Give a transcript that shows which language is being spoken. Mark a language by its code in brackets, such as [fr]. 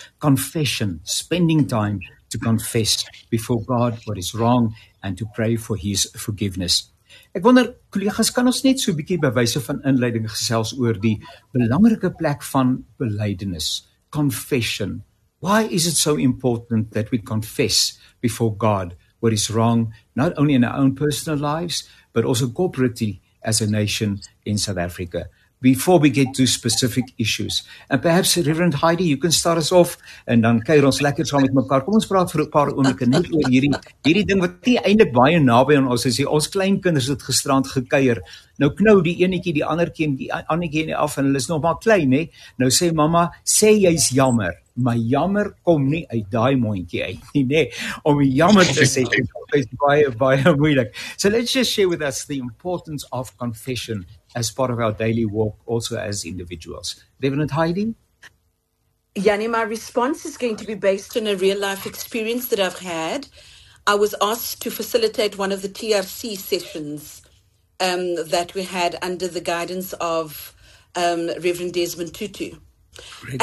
[en] Confession, spending time to confess before God what is wrong and to pray for his forgiveness. [af] Ek wonder, kollegas, kan ons net so 'n bietjie by wyse van inleiding gesels oor die belangrike plek van belydenis, confession. [en] Why is it so important that we confess before God what is wrong, not only in our own personal lives, but also corporately as a nation in South Africa? B- before we get to specific issues. And perhaps Reverend Heidi, you can start us off and [af] dan kuier ons lekker saam met mekaar. Kom ons praat vir 'n paar oomblikke net oor hierdie ding wat nie eintlik baie naby aan ons is nie. Ons kleinkinders het gisterand gekuier. Nou knou die enetjie die ander kind die anetjie nie af en hulle is nog maar klein, hè. Nou sê mamma, sê jy's jammer. Maar jammer kom nie uit daai mondjie uit nie, nê. Om jammer te sê is baie moeilik. [en] So let's just share with us the importance of confession as part of our daily walk, also as individuals. Reverend Heidi? Yanni, my response is going to be based on a real life experience that I've had. I was asked to facilitate one of the TRC sessions that we had under the guidance of Reverend Desmond Tutu. Great.